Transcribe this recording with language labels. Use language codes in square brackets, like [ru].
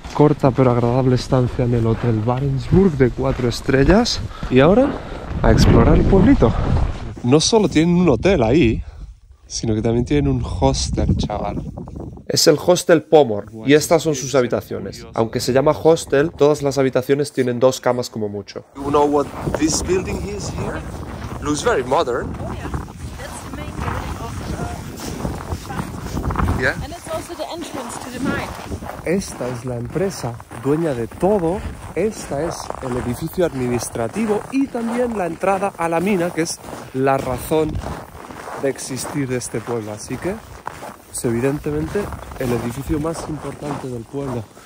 [es] Corta pero agradable estancia en el Hotel Barentsburg de 4 estrellas. Y ahora, a explorar el pueblito. No solo tienen un hotel ahí, sino que también tienen un hostel, chaval. Es el Hostel Pomor, y estas son sus habitaciones. Aunque se llama hostel, todas las habitaciones tienen dos camas como mucho. [en] You know what this building is here? Looks very modern. Oh yeah, that's the main building of the yeah. And it's also the entrance to the mine. [es] Esta es la empresa dueña de todo. Esta es el edificio administrativo y también la entrada a la mina, que es la razón de existir de este pueblo. Así que es evidentemente el edificio más importante del pueblo.